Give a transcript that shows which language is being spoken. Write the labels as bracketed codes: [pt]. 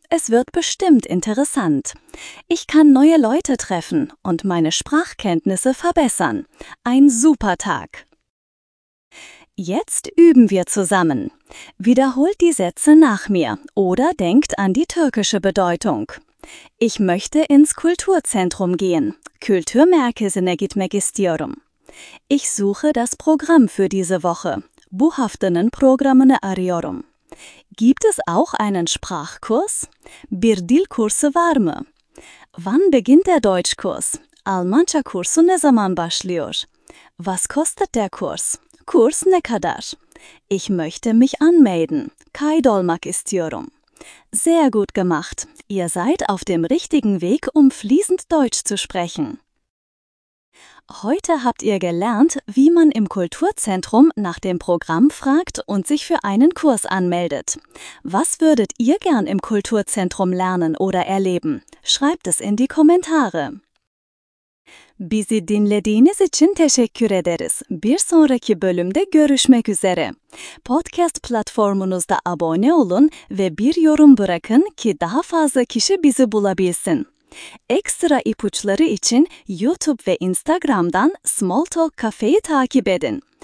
[de] Es wird bestimmt interessant. Ich kann neue Leute treffen und meine Sprachkenntnisse verbessern. Ein super Tag! Jetzt üben wir zusammen. Wiederholt die Sätze nach mir oder denkt an die türkische Bedeutung. Ich möchte ins Kulturzentrum gehen. [tr] Kulturmerkezine gitmek istiyorum. [de] Ich suche das Programm für diese Woche. [tr] Bu haftanın programını arıyorum. [de] Gibt es auch einen Sprachkurs? [tr] Bir dil kursu var mı? [de] Wann beginnt der Deutschkurs? [tr] Almanca kursu ne zaman başlıyor? [de] Was kostet der Kurs? [tr] Kurs ne kadar? [de] Ich möchte mich anmelden. [tr] Kaydolmak istiyorum. [de] Sehr gut gemacht. Ihr seid auf dem richtigen Weg, um fließend Deutsch zu sprechen. Heute habt ihr gelernt, wie man im Kulturzentrum nach dem Programm fragt und sich für einen Kurs anmeldet. Was würdet ihr gern im Kulturzentrum lernen oder erleben? Schreibt es in die Kommentare. [tr] Bizi dinlediğiniz için teşekkür ederiz. Bir sonraki bölümde görüşmek üzere. Podcast platformunuzda abone olun ve bir yorum bırakın ki daha fazla kişi bizi bulabilsin. Ekstra ipuçları için YouTube ve Instagram'dan Small Talk Cafe'yi takip edin.